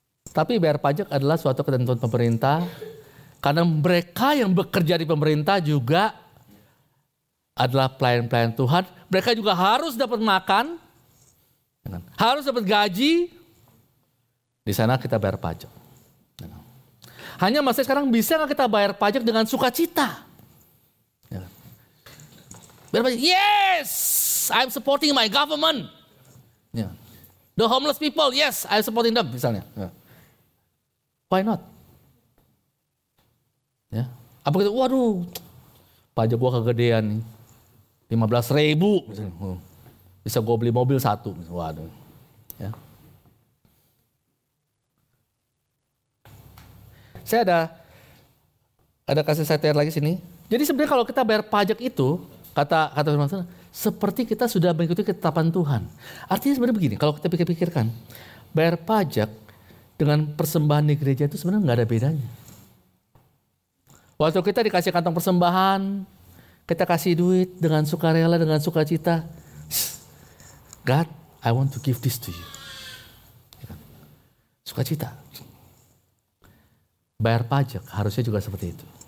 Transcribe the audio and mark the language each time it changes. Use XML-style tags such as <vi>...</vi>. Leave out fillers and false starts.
<id>Tapi bayar pajak adalah suatu ketentuan pemerintah. Karena mereka yang bekerja di pemerintah juga adalah pelayan-pelayan Tuhan. Mereka juga harus dapat makan. Ya kan? Harus dapat gaji. Di sana kita bayar pajak. Hanya masalah sekarang bisa nggak kita bayar pajak dengan sukacita? Bayar pajak,</id> <en>yes, I'm supporting my government. The homeless people, yes, I'm supporting them,</en> <id>misalnya.</id> <en>Why not?</en> <id>Apa kita, waduh, pajak gua kegedean nih. 15.000 bisa gue beli mobil satu. Waduh. Ya. Saya ada kasih saya lagi sini. Jadi sebenarnya kalau kita bayar pajak itu kata firman Tuhan, seperti kita sudah mengikuti ketetapan Tuhan. Artinya sebenarnya begini, kalau kita pikir-pikirkan, bayar pajak dengan persembahan di gereja itu sebenarnya enggak ada bedanya. Waktu kita dikasih kantong persembahan, kita kasih duit dengan sukarela, dengan sukacita.</id> <en>God, I want to give this to you.</en> <id>Sukacita. Bayar pajak harusnya juga seperti itu.</id>